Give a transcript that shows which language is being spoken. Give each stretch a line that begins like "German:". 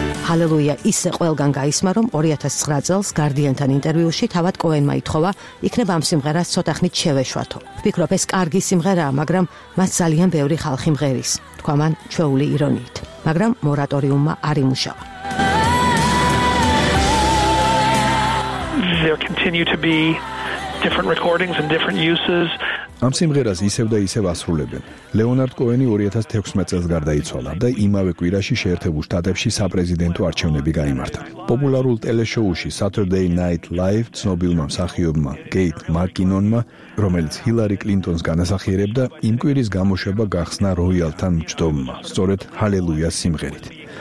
Georgian: Hallelujah ისე ყველგან გაისმა, რომ 2009 წელს Guardian-თან ინტერვიუში თავად კოენმა ითხოვა, იქნებ ამ სიმღერას ცოტა ხნით შევეშვათო. ვფიქრობ, ეს კარგი სიმღერაა, მაგრამ მას ძალიან ბევრი ხალხი მღერის, თქვა მან ჩვეული ირონიით. მაგრამ მორატორიუმმა არ იმუშავა.
English: There continue to be different recordings and different uses.
Georgian: ამ სიმღერას ისევ და ისევ ასრულებენ. ლეონარდ კოენი 2016 წელს გარდაიცვალა და იმავე კვირაში შეერთებულ შტატებში საპრეზიდენტო არჩევნები გაიმართა. პოპულარულ ტელეშოუში Saturday Night Live ცნობილმა მსახიობმა კეით მაკინონმა, რომელიც ჰილარი კლინტონს განასახიერებდა, იმ კვირის გამოშვება გახსნა როიალთან მჯდომმა, სწორედ ჰალელუია სიმღერით.